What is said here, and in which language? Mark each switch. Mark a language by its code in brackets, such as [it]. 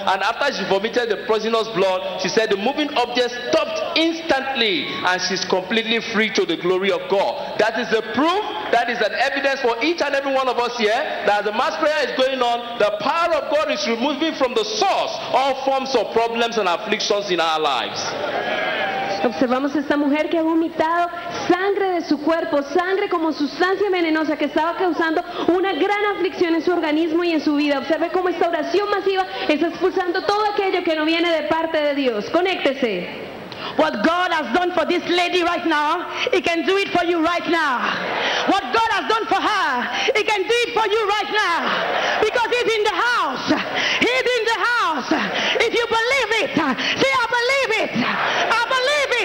[en] And after she vomited the poisonous blood, she said the moving object stopped instantly and she's completely free to the glory of God. That is a proof, that is an evidence for each and every one of us here that as the mass prayer is going on, the power of God is removing from the source all forms of problems and afflictions in our lives. [es] Observamos esta mujer que ha vomitado sangre de su cuerpo, sangre como sustancia venenosa que estaba causando una gran aflicción en su organismo y en su vida. Observe cómo esta oración masiva está expulsando todo aquello que no viene de parte de Dios. Conéctese. [en] What God has done for this lady right now, He can do it for you right now. What God has done for her, He can do it for you right now. Because He's in the house. He's in the house. If you believe it, say, I believe it.